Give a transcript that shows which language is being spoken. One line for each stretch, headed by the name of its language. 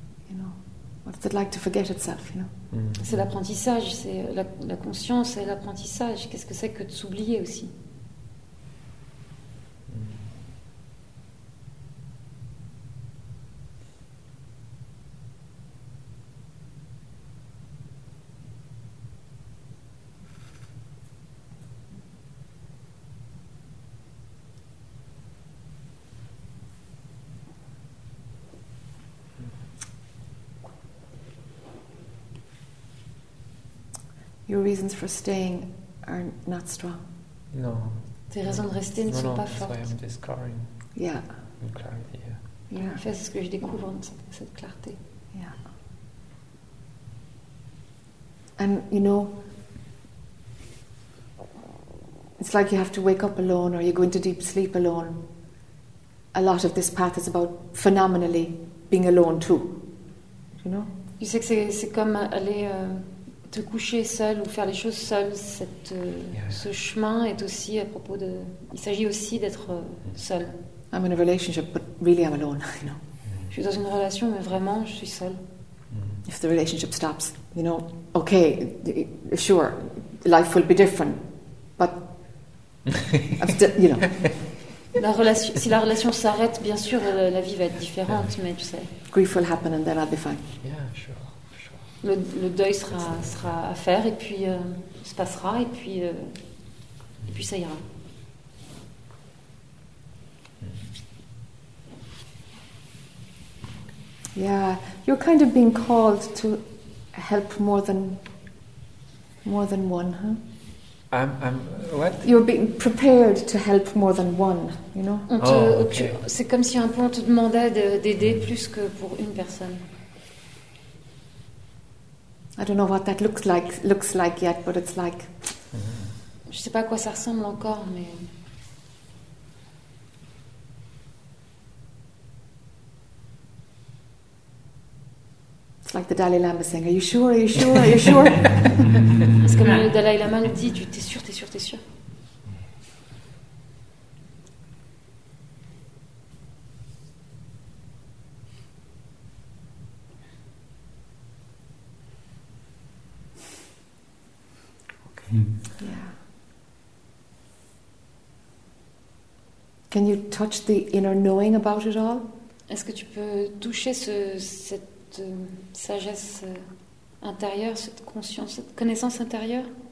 English: You know, what is it like to forget itself? You know.
French: C'est l'apprentissage. C'est la conscience et l'apprentissage. Qu'est-ce que c'est que de s'oublier aussi?
English: Your reasons for staying are not strong. No.
French: Tes raisons de rester ne sont pas fortes.
English: That's why I'm discovering. Yeah. The clarity. Yeah. Yeah.
French: En fait, c'est ce que je découvre en cette clarté.
English: Yeah. And you know, it's like you have to wake up alone, or you go into deep sleep alone. A lot of this path is about phenomenally being alone too. You know.
French: Tu sais que c'est comme aller te coucher seul ou faire les choses seul. Ce chemin est aussi à propos de. Il s'agit aussi d'être seul.
English: I'm in a relationship, but really I'm alone. You know.
French: Je suis dans une relation, mais vraiment, je suis seule.
English: If the relationship stops, you know, okay, sure, life will be different, but I'm still, you know.
French: Si la relation s'arrête, bien sûr, la vie va être différente, mais tu sais.
English: Grief will happen and then I'll be fine. Yeah, sure.
French: Le deuil sera à faire et puis se passera et puis ça ira.
English: Yeah, you're kind of being called to help more than one, huh? I'm what? You're being prepared to help more than one, you know?
French: C'est comme si un peu on te demandait d'aider plus que pour une personne.
English: I don't know what that looks like yet, but it's like.
French: Je sais pas à quoi ça ressemble encore, mais.
English: Like the Dalai Lama saying, "Are you sure? Are you sure? Are you sure?"
French: Parce que le Dalai Lama le dit, tu t'es sûr, t'es sûr, t'es sûr.
English: Okay. Yeah. Can you touch the inner knowing about it all?
French: Est-ce que tu peux toucher cette de sagesse intérieure, cette conscience, cette connaissance intérieure.